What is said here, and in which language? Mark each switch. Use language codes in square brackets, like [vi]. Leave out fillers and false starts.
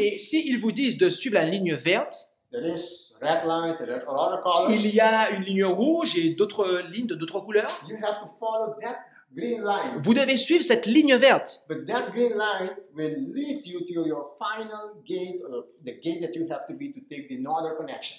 [fr] Et si ils vous disent de suivre la ligne verte. [en] There is red lines, there are other colors. [fr] Il y a une ligne rouge et d'autres lignes de d'autres couleurs. [en] You have to follow that. Green line. [fr] Vous devez suivre cette ligne verte. [en] But that green line will lead you to your final gate, or the gate that you have to be to take the other connection.